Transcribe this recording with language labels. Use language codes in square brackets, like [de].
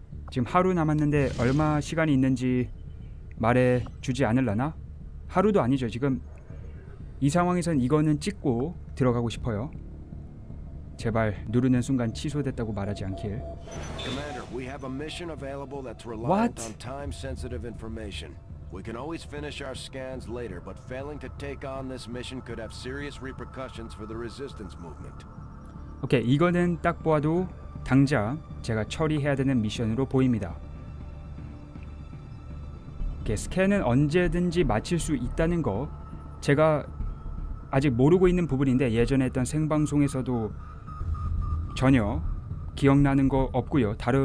[ko] 지금 하루 남았는데 얼마 시간이 있는지 말해 주지 않을라나? 하루도 아니죠. 지금 이 상황에선 이거는 찍고 들어가고 싶어요. 제발 누르는 순간 취소됐다고 말하지 않길. [en] Commander, we have a mission available that's reliant on time-sensitive information. We can always finish our scans later, but failing to take on this mission could have serious repercussions for the resistance movement. [ko] 오케이, 이거는 딱 보아도 당장 제가 처리해야 되는 미션으로 보입니다. 스캔은 언제든지 마칠 수 있다는 거 제가 아직 모르고 있는 부분인데 예전에 했던 생방송에서도 전혀 기억나는 거 없고요.